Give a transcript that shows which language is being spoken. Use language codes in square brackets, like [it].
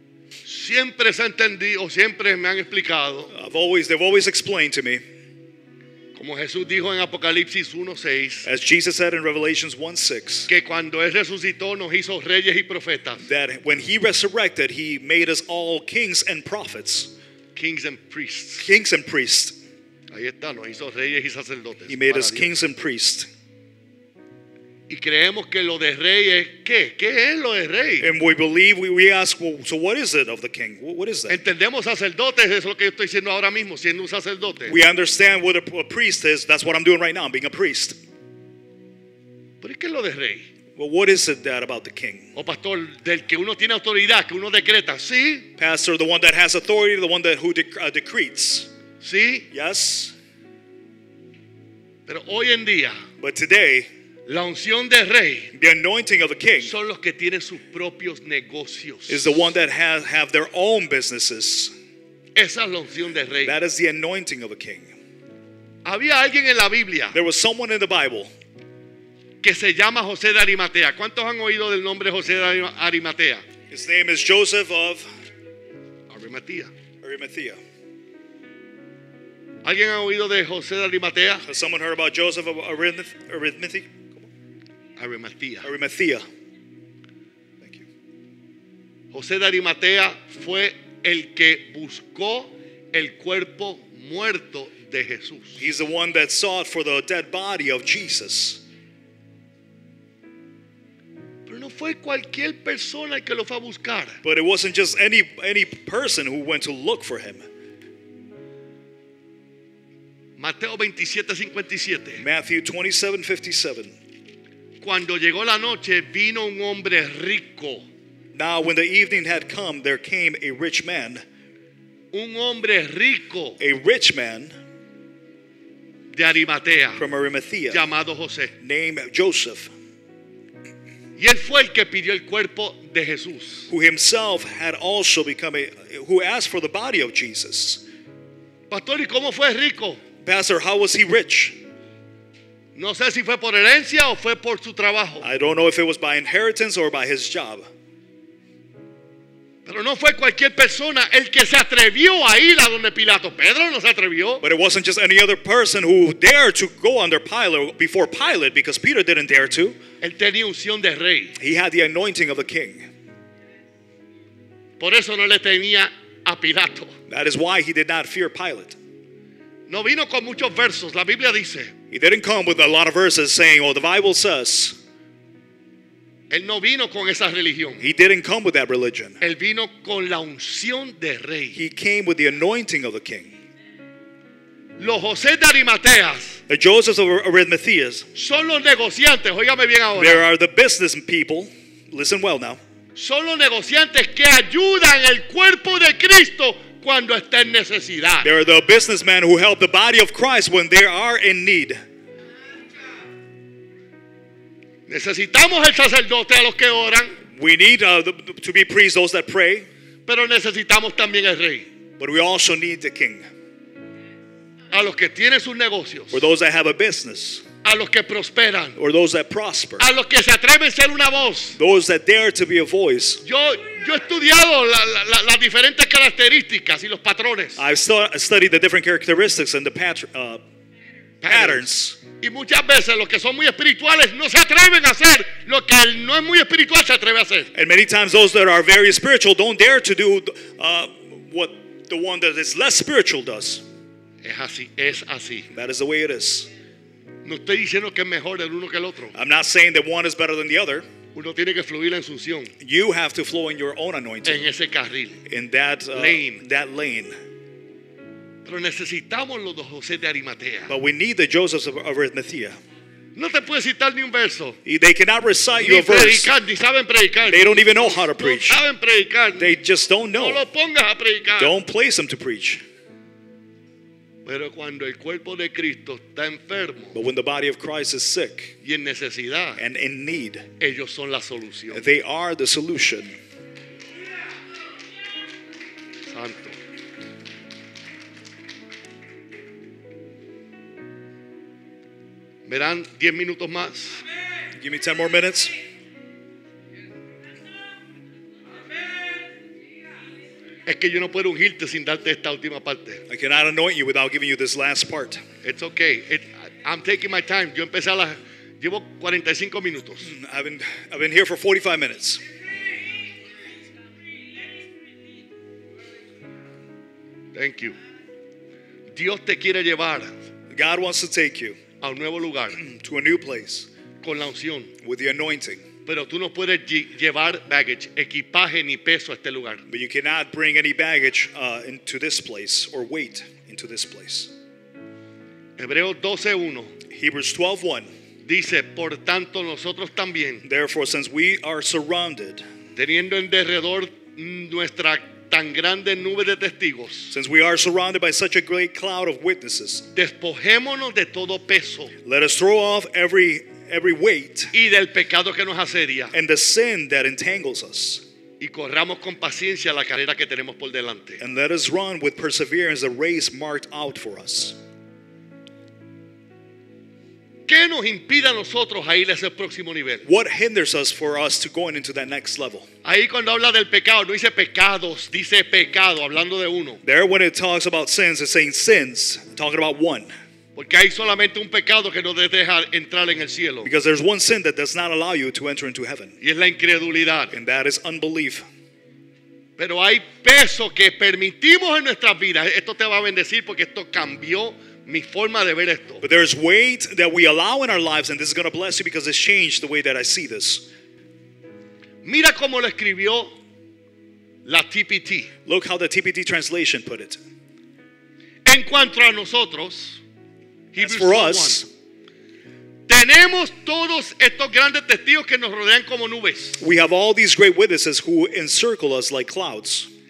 [es] Siempre se ha entendido, siempre me han explicado. [en] They've always explained to me. [es] Como Jesús dijo en Apocalipsis 1:6, [en] as Jesus said in Revelations 1:6, [es] que cuando él resucitó nos hizo reyes y profetas. [en] That when he resurrected, he made us all kings and prophets. Kings and priests. Kings and priests. [es] Ahí está, nos hizo reyes y sacerdotes. [en] He made us kings and priests. [es] Y creemos que lo de rey es ¿qué? ¿Qué es lo de rey? [en] And we believe, we ask, well, so what is it of the king? What is that? [es] Entendemos sacerdote, es lo que yo estoy diciendo ahora mismo, siendo un sacerdote. [en] We understand what a priest is, that's what I'm doing right now, I'm being a priest. [es] ¿Pero qué es lo de rey? [en] Well, what is it that about the king? [es] O pastor, del que uno tiene autoridad, que uno decreta, ¿sí? [en] Pastor, the one that has authority, the one that who decrees. [es] ¿Sí? [en] Yes. [es] Pero hoy en día, [en] but today, [es] la unción de rey, [en] the anointing of a king, [es] son los que tienen sus propios negocios. [en] Is the one that have their own businesses. [es] Esa es la unción de rey. [en] That is the anointing of a king. [es] Había alguien en la Biblia. [en] There was someone in the Bible. [es] Que se llama José de Arimatea. ¿Cuántos han oído del nombre José de Arimatea? [en] His name is Joseph of Arimatea. Arimatea. [es] ¿Alguien ha oído de José de Arimatea? [en] Has someone heard about Joseph of Arimatea? Arimatea. Arimatea. Thank you. [es] José de Arimatea fue el que buscó el cuerpo muerto de Jesús. [en] He's the one that sought for the dead body of Jesus. [es] Pero no fue cualquier persona el que lo fue a buscar. [en] But it wasn't just any person who went to look for him. [es] Mateo 27:57. [en] Matthew 27:57. [es] Cuando llegó la noche, vino un hombre rico. [en] Now when the evening had come, there came a rich man. [es] Un hombre rico. [en] A rich man. [es] De Arimatea. [en] From Arimatea. [es] Llamado José. [en] Named Joseph. [es] Y él fue el que pidió el cuerpo de Jesús. [en] Who himself had also become who asked for the body of Jesus. [es] Pastor, ¿y cómo fue rico? [en] Pastor, how was he rich? [es] No sé si fue por herencia o fue por su trabajo. [en] I don't know if it was by inheritance or by his job. [es] Pero no fue cualquier persona el que se atrevió a ir a donde Pilato. Pedro no se atrevió. [en] But it wasn't just any other person who dared to go under Pilate before Pilate, because Peter didn't dare to. [es] Él tenía unción de rey. [en] He had the anointing of a king. [es] Por eso no le tenía a Pilato. [en] That is why he did not fear Pilate. [es] No vino con muchos versos. La Biblia dice. [en] He didn't come with a lot of verses saying, "Oh, the Bible says." [es] Él no vino con esa religión. [en] He didn't come with that religion. [es] Él vino con la unción de rey. [en] He came with the anointing of the king. [es] Los José de Arimatea. [en] The Joseph of Arimathea. [es] Son los negociantes. Óigame bien ahora. [en] There are the business people. Listen well now. [es] Son los negociantes que ayudan el cuerpo de Cristo. Cuando está en necesidad. [en] There are the businessmen who help the body of Christ when they are in need. [es] Necesitamos el sacerdote a los que oran. [en] We need to be priests, those that pray. [es] Pero necesitamos también el rey. [en] But we also need the king. [es] A los que tienen sus negocios. [en] For those that have a business. [es] A los que prosperan. [en] Or those that prosper. [es] A los que se atreven a ser una voz. [en] Those that dare to be a voice. [es] Yo he estudiado las diferentes características y los patrones. [en] I've studied the different characteristics and the patterns. [es] Y muchas veces los que son muy espirituales no se atreven a hacer lo que el no es muy espiritual se atreve a hacer. [en] And many times those that are very spiritual don't dare to do what the one that is less spiritual does. [es] Es así. [en] That is the way it is. [es] No estoy diciendo que es mejor el uno que el otro. [en] I'm not saying that one is better than the other. [es] Uno tiene que fluir en su unción. [en] You have to flow in your own anointing. [es] En ese carril. [en] In that lane. That lane. [es] Pero necesitamos los de José de Arimatea. [en] But we need the Josephs of Arimathea. [es] No te puedes citar ni un verso. [en] They cannot recite [es] ni [en] you a [es] predicar, [en] verse. [es] Ni saben predicar. [en] They don't even know how to preach. [es] No saben predicar. [en] They just don't know. [es] No lo pongas a predicar. [en] Don't place them to preach. [es] Pero cuando el cuerpo de Cristo está enfermo, [en] but when the body of Christ is sick [es] y en necesidad, [en] and in need, [es] ellos son la solución. [en] They are the solution. [es] Santo. ¿Me dan 10 minutos más? [en] Give me 10 more minutes. [es] Es que yo no puedo ungirte sin darte esta última parte. [en] I cannot anoint you without giving you this last part. It's okay. I'm taking my time. [es] Yo empecé llevo 45 minutos. [en] I've been here for 45 minutes. Thank you. [es] Dios te quiere llevar. [en] God wants to take you [es] a un nuevo lugar. [en] To a new place. [es] con la unción. [en] With the anointing. [es] Pero tú no puedes llevar baggage, equipaje ni peso a este lugar. [en] But you cannot bring any baggage into this place or weight into this place. [es] Hebreos 12:1. [en] Hebrews 12:1. [es] Dice, por tanto nosotros también. [en] Therefore, since we are surrounded, [es] teniendo en derredor nuestra tan grande nube de testigos, [en] since we are surrounded by such a great cloud of witnesses, [es] despojémonos de todo peso. [en] Let us throw off every weight, [es] y del pecado que nos asedia, [en] and the sin that entangles us, [es] y corramos con paciencia la carrera que tenemos por delante, [en] and let us run with perseverance the race marked out for us. [es] ¿Qué nos impide a nosotros a ir a ese próximo nivel? [en] What hinders us for us to going into that next level? [es] Ahí cuando habla del pecado, no dice pecados, dice pecado, hablando de uno. [en] There when it talks about sins, it's saying sins, talking about one. [es] Porque hay solamente un pecado que no te deja entrar en el cielo. [en] Because there's one sin that does not allow you to enter into heaven. [es] Y es la incredulidad. [en] And that is unbelief. [es] Pero hay peso que permitimos en nuestras vidas. Esto te va a bendecir porque esto cambió mi forma de ver esto. [en] But there is weight that we allow in our lives, and this is going to bless you because it's changed the way that I see this. [es] Mira cómo lo escribió la TPT. [en] Look how the TPT translation put it. [es] En cuanto a nosotros, [en] as for us, [es] tenemos todos estos grandes testigos que nos rodean como nubes. [en] We have all these great witnesses who encircle us like clouds.